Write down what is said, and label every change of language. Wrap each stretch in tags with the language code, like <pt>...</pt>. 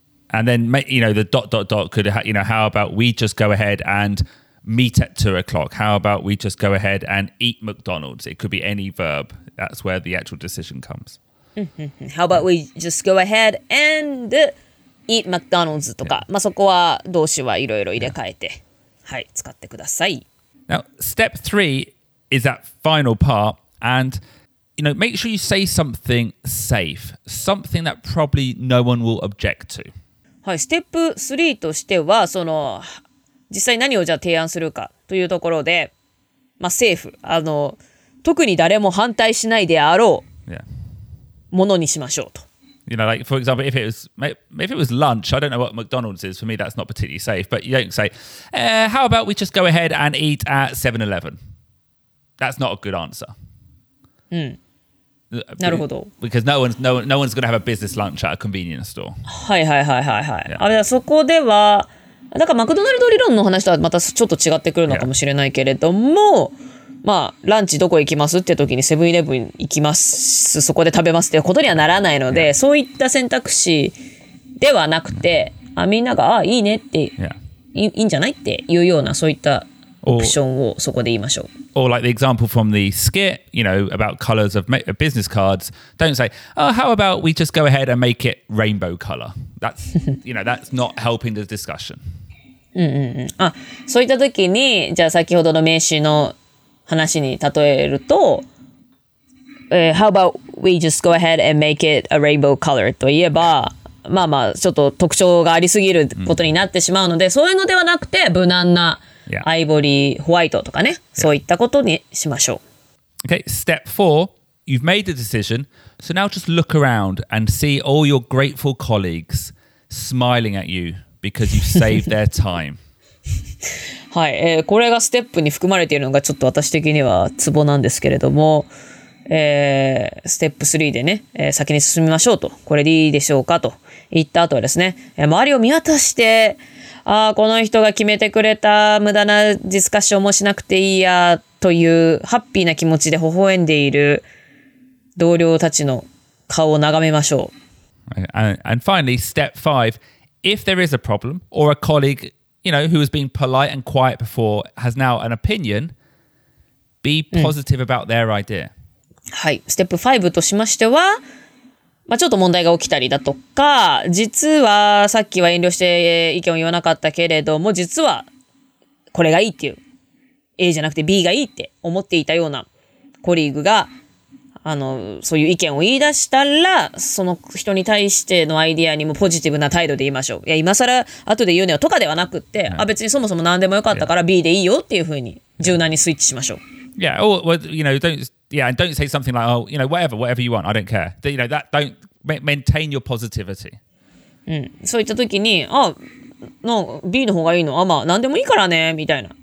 <en>And then, you know, the dot dot dot could, you know, how about we just go ahead and... Meet at 2 o'clock. How about we just go ahead and eat McDonald's? It could be any verb. That's where the actual decision comes. How about we just go ahead and eat McDonald's?</en> <ja>とか、yeah. まあそこは動詞はいろいろ入れ替えて、yeah. はい、使ってください。</ja> <en>Now, step three is that final part. And, you know, make sure you say something safe. Something that probably no one will object to.</en> <ja>はい、ステップ3としては、その…実際何をじゃあ提案するかというところで、まあ、セーフ、あの、特に誰も反対しないであろうものにしましょうと。</ja> <en>You know, like, for example, if it was lunch, I don't know what McDonald's is, for me that's not particularly safe, but you don't say,、how about we just go ahead and eat at 7-Eleven? That's not a good answer.</en> <ja>うん。なるほど。</ja> <en>Because no one's going to have a business lunch at a convenience store.</en> <ja>はいはいはいはいはい。Yeah. あれ、そこでは、なんかマクドナルド理論の話とはまたちょっと違ってくるのかもしれないけれども、yeah. まあランチどこ行きますって時にセブンイレブン行きますそこで食べますってことにはならないので、yeah. そういった選択肢ではなくて、mm. あみんながあいいねって、yeah. いいんじゃないっていうようなそういったオプションをそこで言いましょう。</ja> <en>Or like the example from the skit, you know, about colors of business cards. Don't say, oh, how about we just go ahead and make it rainbow color? That's, you know, that's not helping the discussion.</en> <ja>あ、そういった時に、じゃあ先ほどの名刺の話に例えると、</ja> <en>how about we just go ahead and make it a rainbow color?</en> <ja>と言えば、まあまあ、ちょっと特徴がありすぎることになってしまうので、mm. そういうのではなくて、無難な。 Yeah. アイボリー、ホワイトとかね、yeah. そういったことにしましょう。</ja> <en>Okay, step four, you've made the decision, so now just look around and see all your grateful colleagues smiling at you because you've saved their time.</en> <ja>はい、これがステップに含まれているのがちょっと私的にはツボなんですけれども、ステップ3でね、先に進みましょうと、これでいいでしょうかと言った後はですね、周りを見渡して、ああこの人が決めてくれた無駄なディスカッションもしなくていいやというハッピーな気持ちで微笑んでいる同僚たちの顔を眺めましょう。</ja> <en>And finally, step five. If there is a problem or a colleague, you know, who has been polite and quiet before has now an opinion, be positive about their idea.、う</en> <ja>ん、はい、ステップ5としましては、まあ、ちょっと問題が起きたりだとか、実はさっきは遠慮して意見を言わなかったけれども、実はこれがいいっていう A じゃなくて B がいいって思っていたようなコリーグがあのそういう意見を言い出したらその人に対してのアイディアにもポジティブな態度で言いましょう。いや今更後で言うねよとかではなくって、yeah. あ別にそもそも何でもよかったから B でいいよっていうふうに柔軟にスイッチしましょう。</ja> <en>Yeah, or, well, you know, don't, yeah, don't say something like, oh, you know, whatever, whatever you want, I don't care. You know, that don't maintain your positivity.</en> <ja>うん、そういった時に、あ、の B の方がいいの、あ、まあ何でもいいからねみたいな。</ja>